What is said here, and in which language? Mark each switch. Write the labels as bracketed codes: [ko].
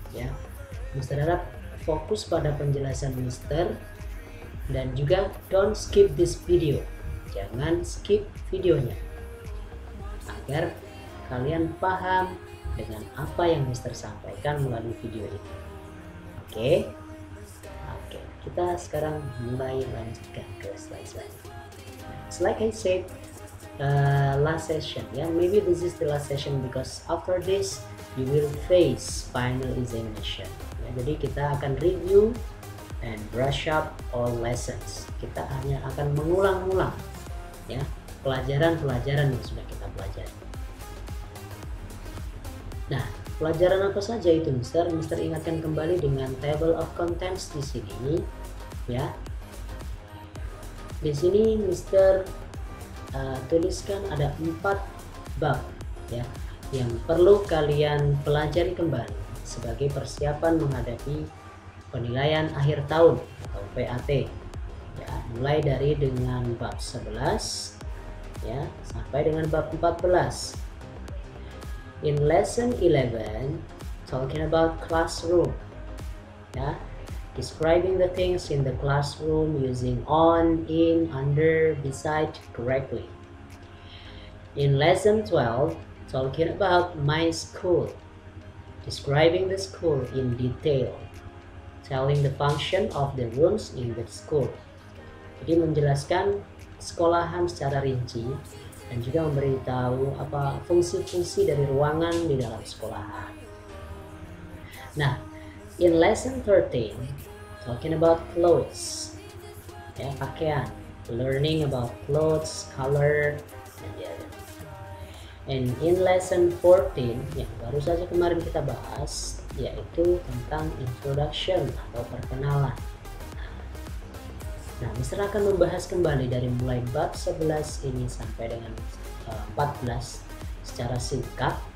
[id] Ya, Mr. Harap, fokus pada penjelasan Mister, dan juga [en] don't skip this video. [id] Jangan skip videonya agar kalian paham dengan apa yang Mister sampaikan melalui video ini. Oke, okay. Kita sekarang mulai lanjutkan ke slide selanjutnya. [en] Like I said, last session, yeah, maybe this is the last session because after this you will face final examination. Yeah, [id] jadi kita akan [en] review and brush up all lessons. [id] Kita hanya akan mengulang-ulang, ya, yeah, pelajaran-pelajaran yang sudah kita pelajari. Nah, pelajaran apa saja itu, Mister? Mister ingatkan kembali dengan table of contents di sini, ya. Di sini Mister tuliskan ada 4 bab, ya, yang perlu kalian pelajari kembali sebagai persiapan menghadapi penilaian akhir tahun atau PAT. Ya, mulai dari dengan bab 11, ya, sampai dengan bab 14. [en] In lesson 11, talking about classroom, yeah, describing the things in the classroom using on, in, under, beside correctly. In lesson 12, talking about my school, describing the school in detail, telling the function of the rooms in the school. [id] Jadi menjelaskan sekolahan secara rinci dan juga memberitahu apa fungsi-fungsi dari ruangan di dalam sekolah. [en] Nah, in lesson 13, talking about clothes, [id] ya, pakaian, [en] learning about clothes, color, and the other. And in lesson 14, [id] yang baru saja kemarin kita bahas, yaitu tentang introduction atau perkenalan. Nah, Mister akan membahas kembali dari mulai bab 11 ini sampai dengan 14 secara singkat.